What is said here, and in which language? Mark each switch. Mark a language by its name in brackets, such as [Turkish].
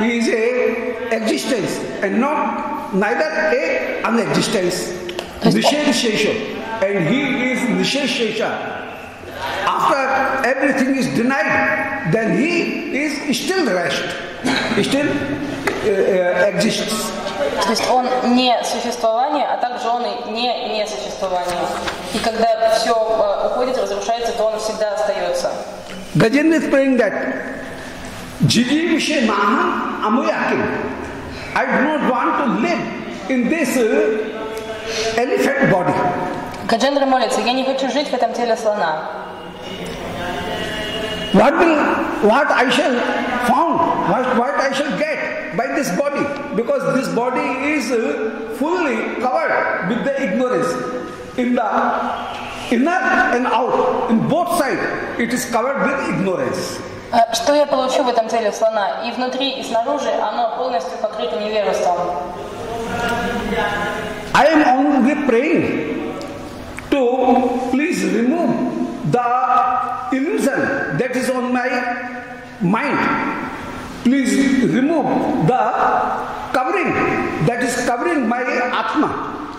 [English] He is a existence and not neither a unexistence. Nisheshesha. And he is Nisheshesha. After everything is denied, then he is still rest. Still exists. [Russian] То есть он не существование, а также он и не несуществование. И когда все уходит, разрушается, то он всегда остается. [English] Gajendra is praying that [Sanskrit] Jiji Vishe Maha Amuyakim. [English] I do not want to live in this elephant body. [Russian] Каджендра молится: я не хочу жить в этом теле слона. [English] What I shall get by this body, because this body is fully covered with the ignorance in the inner and out, in both sides it is covered with ignorance. [Russian] Что я получу в этом теле слона? И внутри, и снаружи оно полностью покрыто невежеством. [English] I am only praying to please remove the illusion that is on my mind. Please remove the covering that is covering my atma.